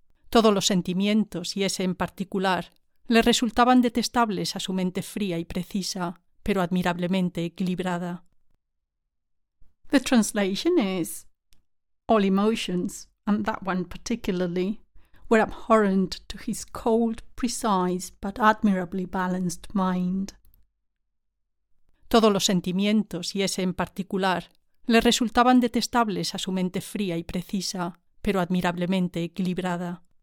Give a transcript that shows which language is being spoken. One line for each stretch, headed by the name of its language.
Spanish: Todos los sentimientos, y ese en particular, le resultaban detestables a su mente fría y precisa, pero admirablemente equilibrada.
English: The translation is, all emotions, and that one particularly, were abhorrent to his cold, precise, but admirably balanced mind.
Spanish: Todos los sentimientos, y ese en particular, le resultaban detestables a su mente fría y precisa, pero admirablemente equilibrada.